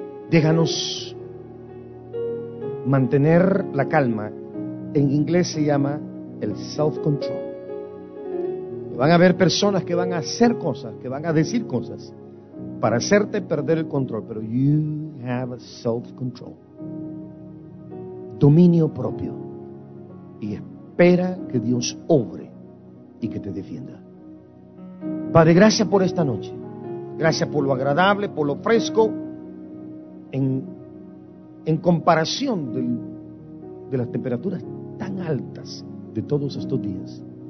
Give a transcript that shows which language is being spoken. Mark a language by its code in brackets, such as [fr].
[es] Déjanos mantener la calma. En inglés se llama el self-control. Van a haber personas que van a hacer cosas, que van a decir cosas para hacerte perder el control. [en] Pero you have self-control. [es] Dominio propio. Y espera que Dios obre y que te defienda. Padre, gracias por esta noche. Gracias por lo agradable, por lo fresco, en comparación de las temperaturas tan altas de todos estos días.